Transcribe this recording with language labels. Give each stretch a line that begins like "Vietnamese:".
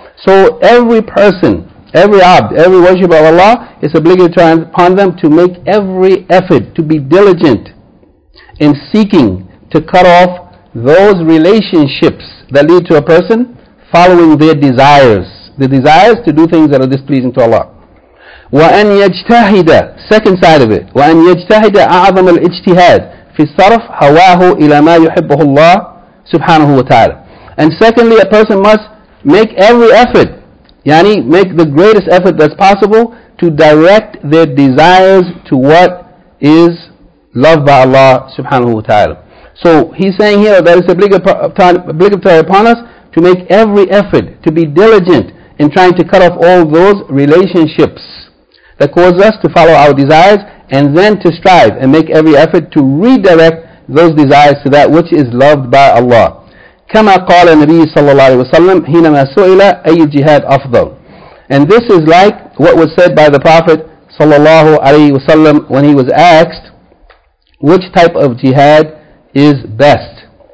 English: So every person, every abd, every worshiper of Allah, it's obligatory upon them to make every effort, to be diligent in seeking to cut off those relationships that lead to a person following their desires. The desires to do things that are displeasing to Allah.
Arabic: وَأَنْ يَجْتَهِدَ,
English: second side of it,
Arabic: وَأَنْ يَجْتَهِدَ أَعْظَمَ الْإِجْتِهَادِ فِي الصَّرَفْ هَوَاهُ إِلَى مَا يُحِبُّهُ اللَّهُ سُبْحَانَهُ وَتَعَالَى.
English: And secondly, a person must make every effort, yani make the greatest effort that's possible to direct their desires to what is loved by Allah subhanahu wa ta'ala. So he's saying here that it's obligatory upon us to make every effort, to be diligent in trying to cut off all those relationships that cause us to follow our desires, and then to strive and make every effort to redirect those desires to that which is loved by Allah.
Arabic: كما قال النبي صلى الله عليه وسلم حينما سئل أي الجهاد أفضل.
English: And this is like what was said by the Prophet صلى الله عليه وسلم when he was asked which type of jihad is best.